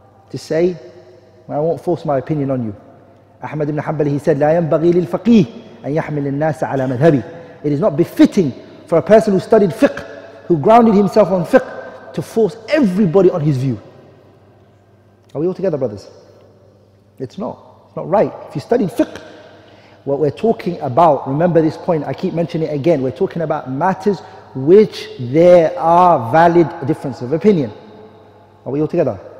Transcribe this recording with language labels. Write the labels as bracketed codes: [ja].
[en] To say, I won't force my opinion on you. Ahmad ibn Hanbal, he said, [ar] لا ينبغي للفقيه أن يحمل الناس على مذهبي. [en] It is not befitting for a person who studied fiqh, who grounded himself on fiqh, to force everybody on his view. Are we all together, brothers? It's not. It's not right. If you studied fiqh, what we're talking about, remember this point, I keep mentioning it again, we're talking about matters which there are valid differences of opinion. Are we all together?